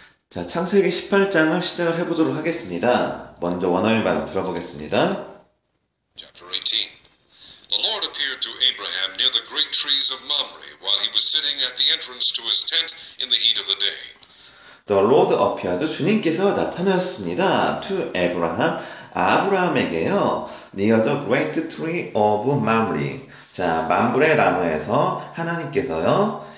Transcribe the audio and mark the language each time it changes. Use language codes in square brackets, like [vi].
[ko] 자, 창세기 18장을 시작을 해보도록 하겠습니다. 먼저 원어민 발음 들어보겠습니다. [en] Chapter 18. The Lord appeared to Abraham near the great trees of Mamre while he was sitting at the entrance to his tent in the heat of the day. The Lord appeared. [ko] 주님께서 나타났습니다. [en] To Abraham. [ko] 아브라함에게요. [en] Near the great tree of Mamre. [ko] 자, 만불의 나무에서 하나님께서요.